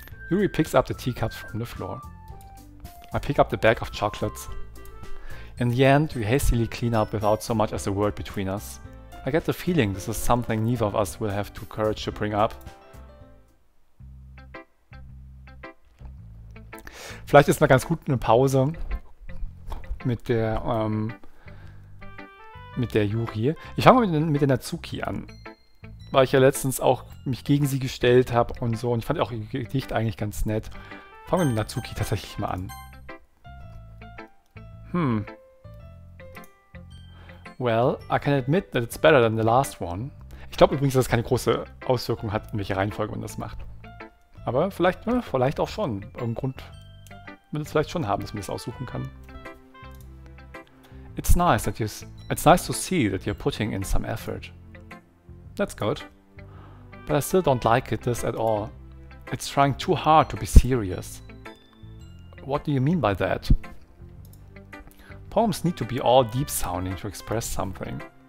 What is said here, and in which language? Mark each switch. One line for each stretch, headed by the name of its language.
English: Yuri picks up the teacups from the floor. I pick up the bag of chocolates. In the end, we hastily clean up without so much as a word between us. I get the feeling this is something neither of us will have the courage to bring up.
German: Vielleicht ist mal ganz gut eine Pause mit der Yuri. Ich fange mal mit der Natsuki an, weil ich ja letztens auch mich gegen sie gestellt habe und so. Und ich fand auch ihr Gedicht eigentlich ganz nett. Fangen wir mit Natsuki tatsächlich mal an.
English: Well, I can admit that it's better than the last one.
German: Ich glaube übrigens, dass es keine große Auswirkung hat, in welcher Reihenfolge man das macht. Aber vielleicht, ne, vielleicht auch schon. Irgendein Grund wird es vielleicht schon haben, dass man das aussuchen kann.
English: It's nice to see that you're putting in some effort. That's good. But I still don't like this at all. It's trying too hard to be serious. What do you mean by that? Poems need to be all deep sounding to express something.